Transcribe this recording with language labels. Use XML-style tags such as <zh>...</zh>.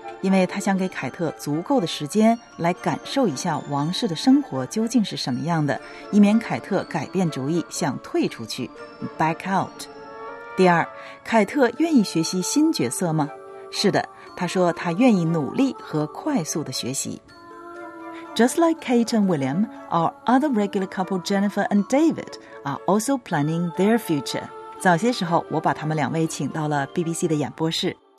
<zh>因为他想给凯特足够的时间来感受一下王室的生活究竟是什么样的，以免凯特改变主意想退出去</zh> <en>back out。</en> <zh>第二，凯特愿意学习新角色吗？是的，他说他愿意努力和快速的学习。</zh> <en>Just like Kate and William, our other regular couple Jennifer and David are also planning their future.</en> <zh>早些时候我把他们两位请到了 BBC 的演播室。</zh>